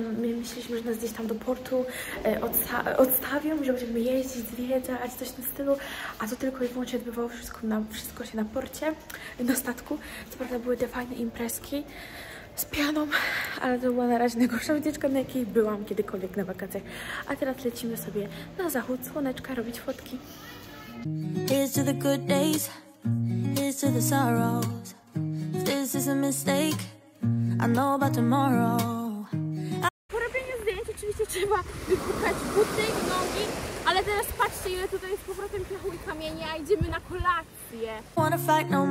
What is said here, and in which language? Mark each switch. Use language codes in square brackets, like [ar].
[pl] My myśleliśmy, że nas gdzieś tam do portu odstawią, że będziemy jeździć, zwiedzać, coś na stylu, a to tylko i wyłącznie odbywało wszystko, wszystko się na porcie, na statku. Co prawda były te fajne imprezki z pianą, ale to była na razie najgorsza wycieczka, na jakiej byłam kiedykolwiek na wakacjach. A teraz lecimy sobie na zachód słoneczka robić fotki. [en] Here's to the good days, here's to the sorrows. If this is a mistake, I know about tomorrow. [pl] Po robieniu zdjęć oczywiście trzeba wykupać buty i nogi, ale teraz patrzcie, ile tutaj jest powrotem piachu i kamieni, a idziemy na kolację.